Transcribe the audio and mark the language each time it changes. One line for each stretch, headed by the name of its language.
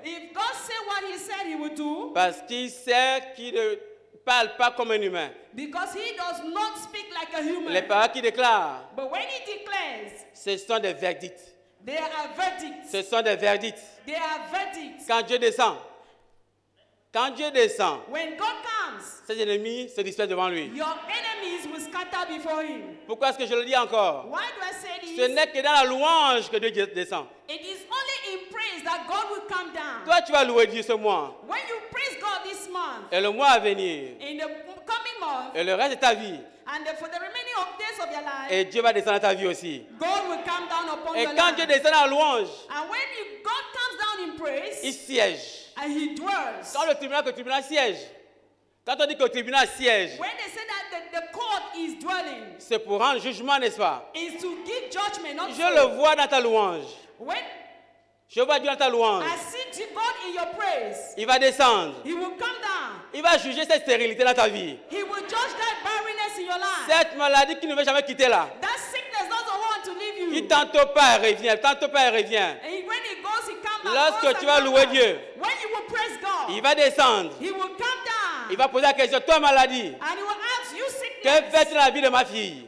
English: If God said what he said he would do.
French: Parce qu'il sait qu'il ne parle pas comme un humain.
English: Because he does not speak like a human.
French: Les paroles qu'il déclare.
English: But when he declares.
French: Ce sont des verdicts.
English: They are verdicts.
French: Ce sont des verdicts.
English: They are verdicts.
French: Quand Dieu descend.
English: When God comes.
French: Ses ennemis se dispersent devant lui.
English: Your enemies will scatter before him.
French: Pourquoi est-ce que je le dis encore?
English: Why do I say this?
French: Ce n'est que dans la louange que Dieu descend.
English: It is only in praise that God will come down.
French: Toi, tu vas louer Dieu ce mois.
English: When you praise God this month.
French: Et le mois à venir.
English: In the coming month.
French: Et le reste de ta vie.
English: And for the remaining of days of your life.
French: Et Dieu va descendre ta vie aussi.
English: God will come down upon
French: et quand
English: your
French: Dieu descend dans la louange.
English: And when God comes down in praise.
French: Il siège.
English: And he dwells.
French: Quand le tribunal que le tribunal siège. Quand on dit que le tribunal siège.
English: When they say that the court is dwelling.
French: C'est pour rendre jugement, n'est-ce pas?
English: Is to give judgment, not
French: je le vois dans ta louange.
English: When
French: je vois Dieu dans ta louange.
English: I see God in your praise.
French: Il va descendre.
English: He will come down.
French: Il va juger cette stérilité dans ta vie.
English: He will judge that barrenness in your life.
French: Cette maladie qui ne veut jamais quitter là.
English: That sickness doesn't want to leave you.
French: Il tantôt pas, il revient. Tantôt pas, il revient.
English: When he goes, he comes down.
French: Lorsque tu vas louer Dieu.
English: When you will praise God.
French: Il va descendre.
English: He will come down.
French: Il va poser la question, toi maladie.
English: And he will ask you sickness.
French: Que fais-tu dans la vie de ma fille?